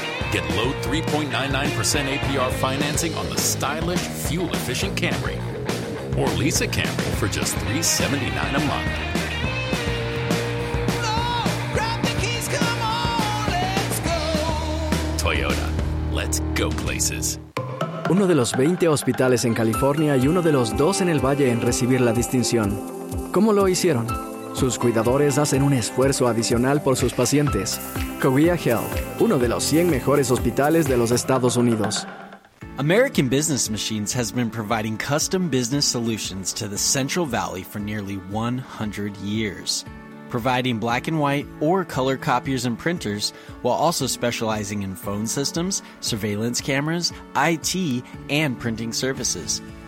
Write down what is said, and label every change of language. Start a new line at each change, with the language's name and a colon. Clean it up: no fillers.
English: Get low 3.99% APR financing on the stylish, fuel-efficient Camry. Or lease a Camry for just $379 a month. No, grab the keys, come on, let's go. Toyota, let's go places.
Spanish: Uno de los 20 hospitales en California y uno de los 2 en el Valle en recibir la distinción. ¿Cómo lo hicieron? Sus cuidadores hacen un esfuerzo adicional por sus pacientes. Kauia Health, uno de los 100 mejores hospitales de los Estados Unidos.
English: American Business Machines has been providing custom business solutions to the Central Valley for nearly 100 years. Providing black and white or color copiers and printers, while also specializing in phone systems, surveillance cameras, IT, and printing services.